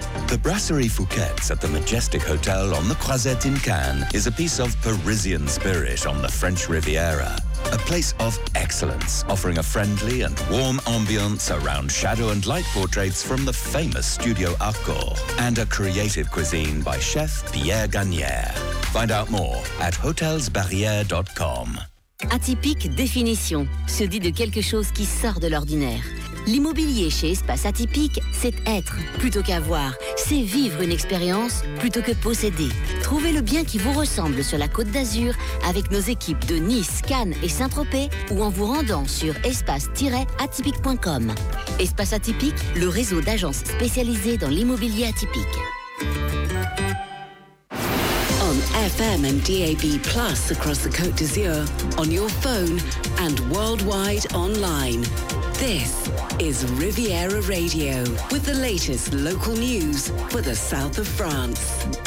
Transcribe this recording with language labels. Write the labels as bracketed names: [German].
[English] The Brasserie Fouquet's at the Majestic Hotel on the Croisette in Cannes is a piece of Parisian spirit on the French Riviera. A place of excellence, offering a friendly and warm ambiance around shadow and light portraits from the famous Studio Arcor, and a creative cuisine by chef Pierre Gagnère. Find out more at hotelsbarriere.com. [French] Atypique définition, se dit de quelque chose qui sort de l'ordinaire. L'immobilier chez Espace Atypique, c'est être plutôt qu'avoir. C'est vivre une expérience plutôt que posséder. Trouvez le bien qui vous ressemble sur la Côte d'Azur avec nos équipes de Nice, Cannes et Saint-Tropez ou en vous rendant sur espace-atypique.com. Espace Atypique, le réseau d'agences spécialisées dans l'immobilier atypique. [English] On FM and DAB Plus across the Côte d'Azur, on your phone and worldwide online. This is Riviera Radio with the latest local news for the south of France.